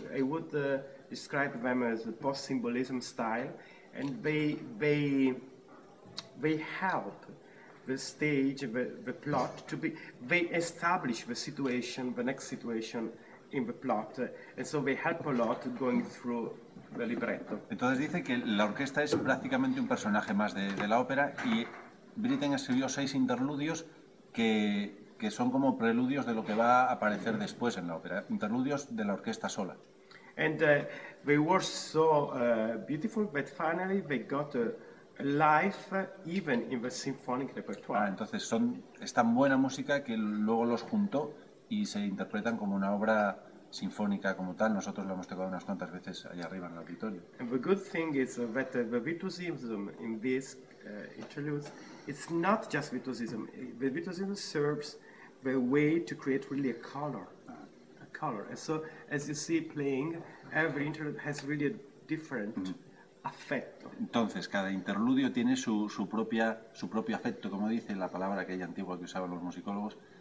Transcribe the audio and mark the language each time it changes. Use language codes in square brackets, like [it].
[en] I would describe them as a post-symbolism style, and they help the stage, the plot to be. They establish the situation, the next situation in the plot, and so they help a lot going through. [es] Entonces dice que la orquesta es prácticamente un personaje más de la ópera, y Britten escribió seis interludios que son como preludios de lo que va a aparecer después en la ópera, interludios de la orquesta sola. [en] And they were so beautiful that finally they got a life even in the symphonic repertoire. [es] Ah, entonces es tan buena música que luego los juntó y se interpretan como una obra sinfónica como tal. Nosotros lo hemos tocado unas cuantas veces allá arriba en el auditorio. [en] And the good thing is that the virtuosism in this interludes, it's not just virtuosism. The virtuosism serves the way to create really a color. And so, as you see playing, every interlude has really a different affetto. [es] Entonces, cada interludio tiene su propio afecto, como dice la palabra aquella antigua que usaban los musicólogos.